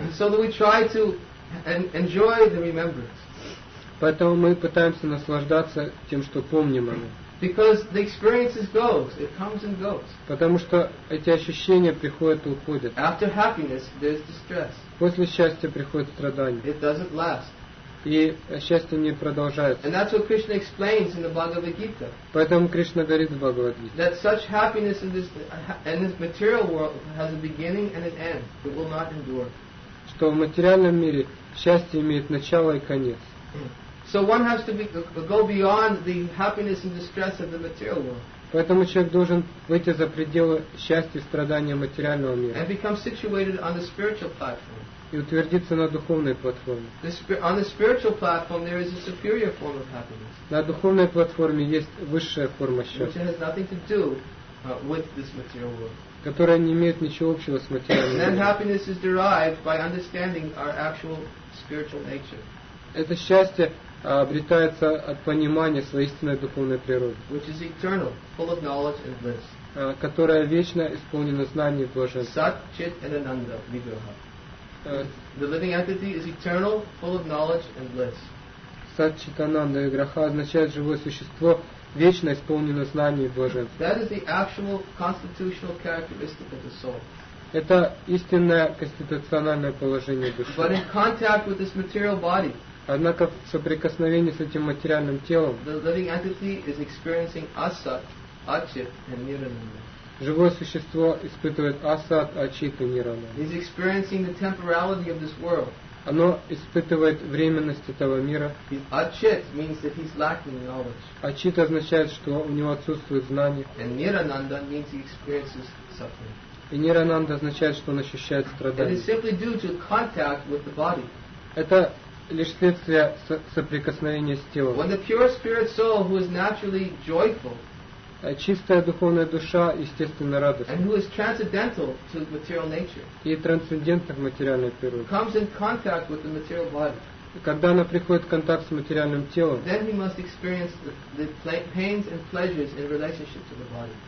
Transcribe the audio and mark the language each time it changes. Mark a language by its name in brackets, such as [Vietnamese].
[English] And so that we try to enjoy the remembrance. [Russian] Поэтому мы пытаемся наслаждаться тем, что помним о нем. [English] Because the experience goes, it comes and goes. [Russian] Потому что эти ощущения приходят и уходят. [English] After happiness, there's distress. [Russian] После счастья приходит страдание. [English] It doesn't last. [Russian] И счастье не продолжается. [English] And that's what Krishna explains in the Bhagavad Gita. [Russian] Поэтому Кришна говорит в Бхагавад-гите. [English] That such happiness in this material world has a beginning and an end. It will not endure. [Russian] Что в материальном мире счастье имеет начало и конец. [English] So one has to go beyond the happiness and distress of the material world. [Russian] Поэтому человек должен выйти за пределы счастья и страдания материального мира. [English] And become situated on the spiritual platform. [Russian] И утвердиться на духовной платформе. [English] On the spiritual platform there is a superior form of happiness. [Russian] На духовной платформе есть высшая форма счастья. [English] Which has nothing to do with this material world. [Russian] Которая не имеет ничего общего с материальным миром. [English] And then happiness is derived by understanding our actual spiritual nature. [Russian] Это счастье обретается от понимания своей истинной духовной природы, [English] which is eternal, full of knowledge and bliss. [Russian] Которая вечно исполнена знаний и блаженства. [Sanskrit] Sat, Chit, and Ananda, Vigraha. [English] The living entity is eternal, full of knowledge and bliss. [Russian] Sat, Chit, Ananda, Vigraha означает живое существо, вечно исполнено знаний и блаженства. [English] That is the actual constitutional characteristic of the soul. [Russian] Это истинное конституциональное положение души. [English] But in contact with this material body, [Russian] однако в соприкосновении с этим материальным телом, [English] the living entity is experiencing Asat, Achit, and Nirananda. [Russian] Живое существо испытывает Асат, Ачит и Нирананда. [English] He's experiencing the temporality of this world. [Russian] Оно испытывает временность этого мира. [English] Achit means that he's lacking knowledge. [Russian] Ачит означает, что у него отсутствует знание. [English] And Nirananda means he experiences suffering. [Russian] И Нирананда означает, что он ощущает страдание. [English] It is simply due to contact with the body. [Russian] Это лишь следствие соприкосновения с телом. [English] When the pure spirit soul who is naturally joyful, [Russian] чистая духовная душа, естественно, радостна, [English] and who is transcendental to material nature, [Russian] и трансцендентна к материальной природе, [English] comes in contact with the material body, [Russian] когда она приходит в контакт с материальным телом, [English] then he must experience the pains and pleasures in relationship to the body.